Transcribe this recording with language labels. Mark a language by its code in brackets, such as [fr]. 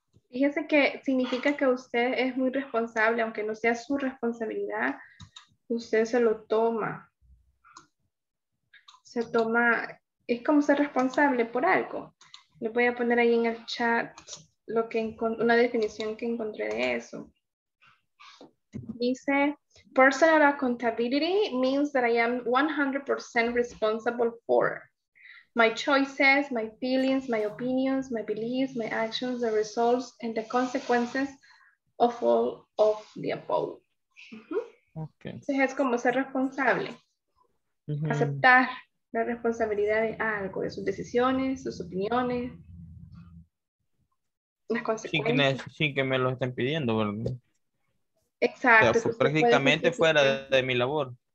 [es] Fíjese que significa que usted es muy responsable, aunque no sea su responsabilidad, usted se lo toma. Se toma, es como ser responsable por algo. Le voy a poner ahí en el chat lo que una definición que encontré de eso. [en] Dice, personal accountability means that I am 100% responsible for my choices, my feelings, my opinions, my beliefs, my actions, the results, and the consequences of all of the above. Okay. [es] Es como ser responsable. Mm-hmm. Aceptar la responsabilidad de algo, de sus decisiones, sus opiniones, las consecuencias. Sin que me lo estén pidiendo, ¿verdad? Exacto. O sea, fue prácticamente fuera de mi labor.